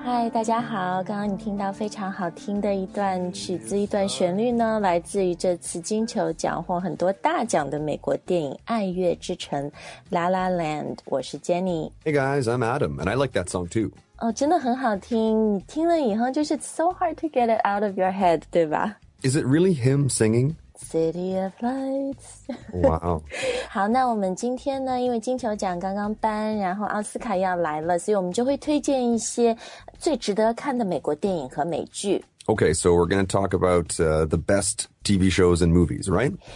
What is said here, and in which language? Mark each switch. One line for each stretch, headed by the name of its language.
Chinese: 嗨，大家好，刚刚你听到非常好听的一段曲子，一段旋律呢，来自于这次金球奖获很多大奖的美国电影《爱乐之城》La La Land。我是 Jenny。
English: Hey guys, I'm Adam, and I like that song too.
Chinese: 哦，真的很好听，你听了以后就是
English: so hard to get it out of your head,
Chinese: 对吧？
English: Is it really him singing? City of Lights. Wow.
Chinese: 好，那我们今天呢，因为金球奖刚刚颁，然后奥斯卡要来了，所以我们就会推荐一些最值得看的美国电影和美剧。
English: Okay, so we're going to talk about the best TV shows and movies, right?